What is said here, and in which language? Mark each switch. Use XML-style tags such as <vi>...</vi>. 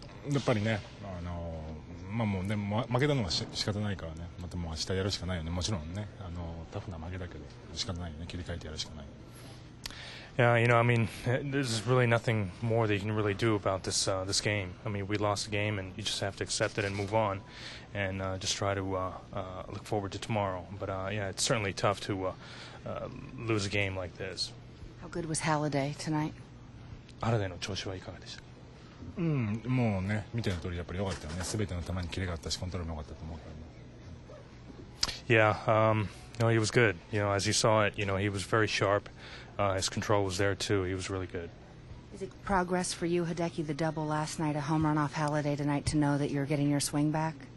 <ja>やっぱりね、まあもうね、負けたのは仕方ないからね、またもう明日やるしかないよね、もちろんね、タフな負けだけど、仕方ないよね、切り替えてやるしかない。</ja> <en>Yeah, you know, I mean, there's really nothing more that you can really do about this, this game. I mean, we lost the game and you just have to accept it and move on and just try to look forward to tomorrow. But yeah, it's certainly tough to lose a game like this. How good was Halliday tonight?</en> <ja>Halliday の調子はいかがでしたか？もうね、見ての通りやっぱり良かったよね。すべての球にキレがあったし、コントロールも良かったと思うからね。</ja> <en>Yeah, no, he was good. You know, as you saw it, you know, he was very sharp. His control was there too. He was really good. Is it progress for you, Hideki, the double last night, a home run off Halliday tonight, to know that you're getting your swing back?</en>